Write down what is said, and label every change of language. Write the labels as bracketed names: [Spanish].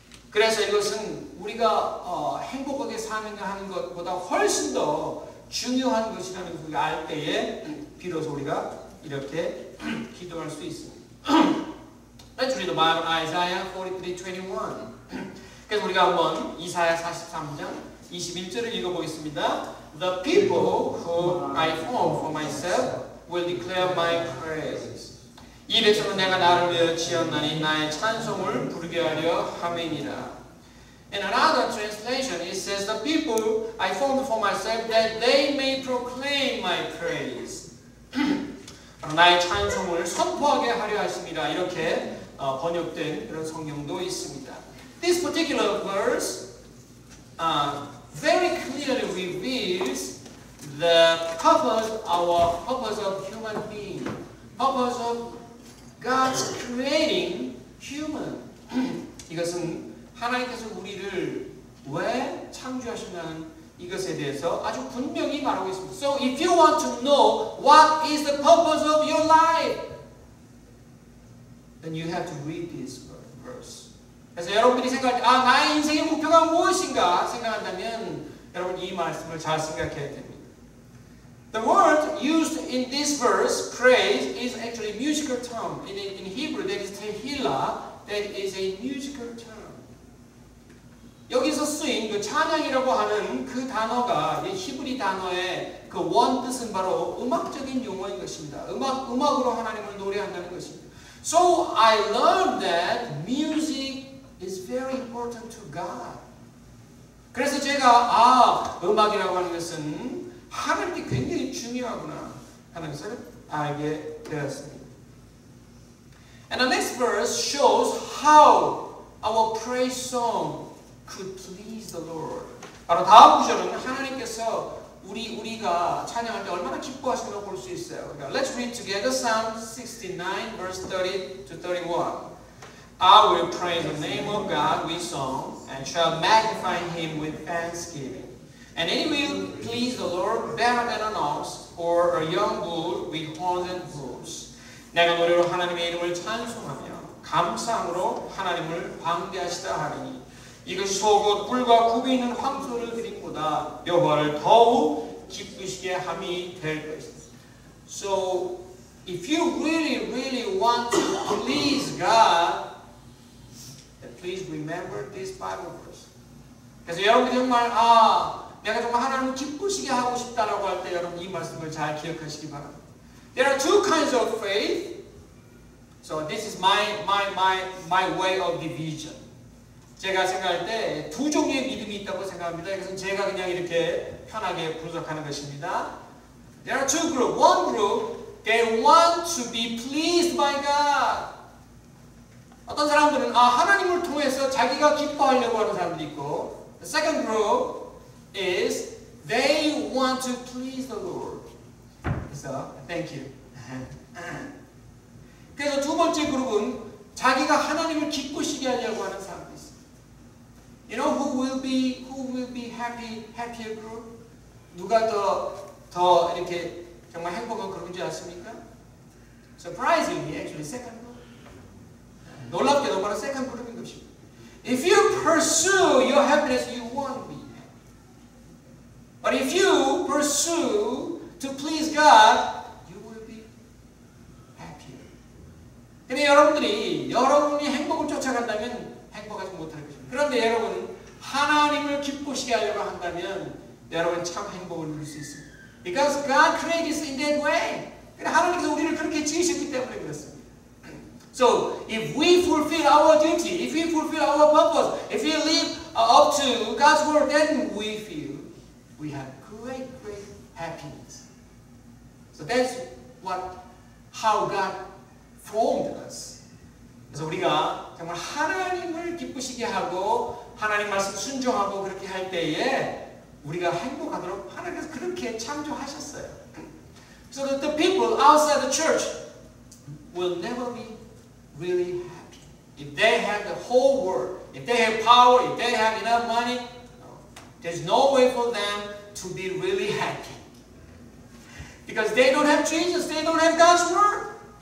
[Korean] 그래서 이것은 우리가 행복하게 사는가 하는 것보다 훨씬 더 중요한 것이라는 것을 알 때에 비로소 우리가 이렇게 기도할 수 있습니다. [English] Let's read the Bible, Isaiah 43:21. [Korean] 그래서 우리가 한번 이사야 43장 21절을 읽어보겠습니다. [English] The people who I form for myself will declare my praise. [Korean] 이 백성은 내가 나를 위하여 지었나니 나의 찬송을 부르게 하려 함이니라. [English] In another translation, it says, The people I formed for myself that they may proclaim my praise. [Korean] 나의 찬송을 선포하게 하려 하십니다. 이렇게 번역된 그런 성경도 있습니다. [English] This particular verse very clearly reveals the purpose, our purpose of human being, purpose of God's creating human. [Korean] 이것은 하나님께서 우리를 왜 창조하셨냐는 이것에 대해서 아주 분명히 말하고 있습니다. [English] So if you want to know what is the purpose of your life, then you have to read this verse. [Korean] 그래서 여러분들이 생각할 때, 나의 인생의 목표가 무엇인가 생각한다면 여러분 이 말씀을 잘 생각해야 됩니다. [English] The word used in this verse, praise, is actually a musical term. In Hebrew, that is tehillah, that is a musical term. [Korean] 여기서 쓰인 그 찬양이라고 하는 그 단어가 이 히브리 단어의 그 원 뜻은 바로 음악적인 용어인 것입니다. 음악으로 하나님을 노래한다는 것입니다. [English] So I learned that music is very important to God. [Korean] 그래서 제가 음악이라고 하는 것은 하늘이 굉장히 중요하구나 하는 것을 알게 되었습니다. [English] And the next verse shows how our praise song could please the Lord. [Korean] 바로 다음 구절은 하나님께서 우리가 찬양할 때 얼마나 기뻐하시는가 볼 수 있어요. 그러니까 [English] Let's read together Psalm 69 verse 30 to 31. I will praise the name of God with song and shall magnify him with thanksgiving. And it will please the Lord better than an ox or a young bull with horns and hooves. [Korean] 내가 노래로 하나님의 이름을 찬송하며 감사함으로 하나님을 방대하시다 하리니 이것이 속옷 불과 굽이 있는 황소를 드림보다 여호와를 더욱 기쁘시게 함이 될 것이다. [English] So if you really, really want to please God, then please remember this Bible verse. [Korean] 그래서 여러분 정말 내가 정말 하나님을 기쁘시게 하고 싶다라고 할 때 여러분 이 말씀을 잘 기억하시기 바랍니다. [English] There are two kinds of faith. So this is my way of division. [Korean] 제가 생각할 때 두 종류의 믿음이 있다고 생각합니다. 이것은 제가 그냥 이렇게 편하게 분석하는 것입니다. [English] There are two groups. One group, they want to be pleased by God. [Korean] 어떤 사람들은 아 하나님을 통해서 자기가 기뻐하려고 하는 사람도 있고 [English] The second group is they want to please the Lord. So, thank you. [Korean] 그래서 두 번째 그룹은 자기가 하나님을 기쁘시게 하려고 하는 사람도 있어요. [English] You know who will be happier group? [Korean] 누가 더 이렇게 정말 행복한 그룹인지 아십니까? [English] Surprisingly, actually, second group. [Korean] 놀랍게도 바로 second group인 것입니다. [English] If you pursue your happiness, you won't be happy. But if you pursue to please God, you will be happier. [Korean] 근데 여러분이 행복을 쫓아간다면 행복하지 못할 것입니다. 그런데 여러분, 하나님을 기쁘시게 하려고 한다면 여러분 참 행복을 누릴 수 있습니다. [English] Because God created us in that way. [Korean] 근데 하나님께서 우리를 그렇게 지으셨기 때문에 그렇습니다. [English] So, if we fulfill our duty, if we fulfill our purpose, if we live up to God's word, then we feel we have great, great happiness. So that's how God formed us. [Korean] 그래서 우리가 정말 하나님을 기쁘시게 하고 하나님 말씀 순종하고 그렇게 할 때에 우리가 행복하도록 하나님께서 그렇게 창조하셨어요. [English] So that the people outside the church will never be really happy. If they have the whole world, if they have power, if they have enough money, no. There's no way for them to be really happy. Because they don't have Jesus, they don't have God's word.